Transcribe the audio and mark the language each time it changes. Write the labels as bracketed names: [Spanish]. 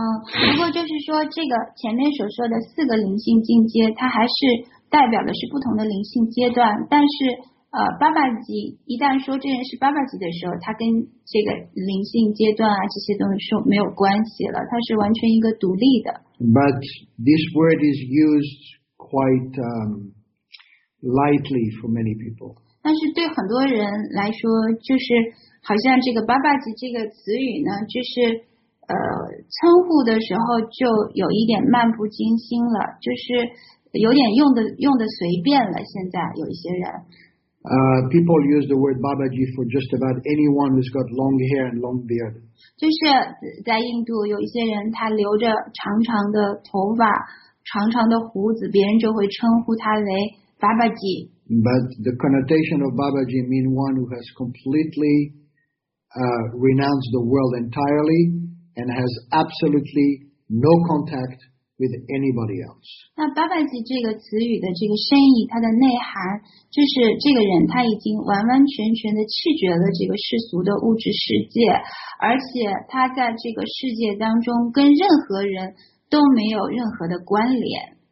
[Chinese] 不过就是说这个前面所说的四个灵性境界，它还是代表的是不同的灵性阶段。但是巴巴吉一旦说这人是巴巴吉的时候，他跟这个灵性阶段啊这些东西说没有关系了，他是完全一个独立的。 [English] But this word is used quite lightly for many people. [Chinese] 但是对很多人来说，就是好像这个巴巴吉这个词语呢，就是称呼的时候就有一点漫不经心了，就是有点用的随便了。现在有一些人。 [English] People use the word Babaji for just about anyone who's got long hair and long beard. [Chinese] 就是在印度有一些人他留着长长的头发长长的胡子，别人就会称呼他为 Babaji. [English] But the connotation of Babaji means one who has completely renounced the world entirely and has absolutely no contact with anybody else. [Chinese] 那巴巴吉这个词语的这个深意，它的内涵，就是这个人他已经完完全全的弃绝了这个世俗的物质世界，而且他在这个世界当中跟任何人都没有任何的关联。